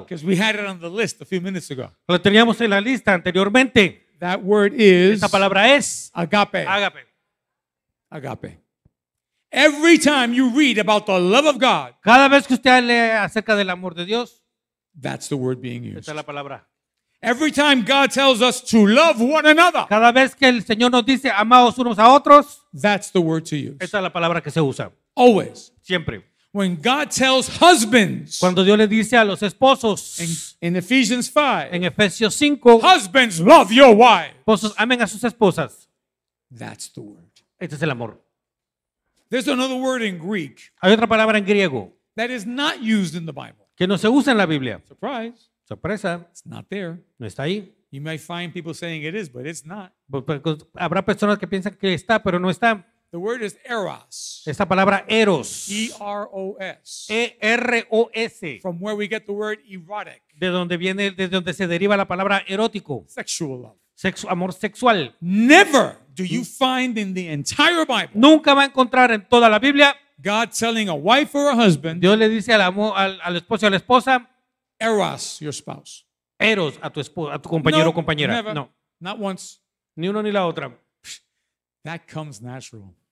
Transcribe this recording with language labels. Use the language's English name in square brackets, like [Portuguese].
[English] Because we had it on the list a few minutes ago. [Spanish] Lo teníamos en la lista anteriormente. [English] That word is. [Spanish] Esa palabra es. [English] Agape. [Spanish] Agape. Agape. [English] Every time you read about the love of God, [Spanish] cada vez que usted lee acerca del amor de Dios, [English] that's the word being used. [Spanish] Esta es la palabra. [English] Every time God tells us to love one another, [Spanish] cada vez que el Señor nos dice amaos unos a otros, [English] that's the word to use. [Spanish] Esta es la palabra que se usa. [English] Always. [Spanish] Siempre. [English] When God tells husbands, [Spanish] cuando Dios le dice a los esposos, [English] in Ephesians 5, [Spanish] en Efesios 5, [English] husbands, love your wife. [Spanish] Esposos, amen a sus esposas. [English] That's the word. [Spanish] Este es el amor. [English] There's another word in Greek. [Spanish] Hay otra palabra en griego. [English] That is not used in the Bible. [Spanish] Que no se usa en la Biblia. [English] Surprise. [Spanish] Sorpresa. [English] It's not there. [Spanish] No está ahí. [English] You may find people saying it is, but it's not. [Spanish] Habrá personas que piensan que está, pero no está. [English] The word is eros. [Spanish] Esta palabra eros. [English] E-R-O-S. [Spanish] E-R-O-S. [English] From where we get the word erotic. [Spanish] De donde se deriva la palabra erótico. [English] Sexual love. [Spanish] Amor sexual. [English] Never do you find in the entire Bible. [Spanish] Nunca va a encontrar en toda la Biblia. [English] God telling a wife or a husband. [Spanish] Dios le dice al esposo o a la esposa. [English] Eros your spouse. [Spanish] Eros a tu compañero o compañera. [English] Never. [Spanish] No. [English] Not once. [Spanish] Ni uno ni la otra. [English] That comes natural.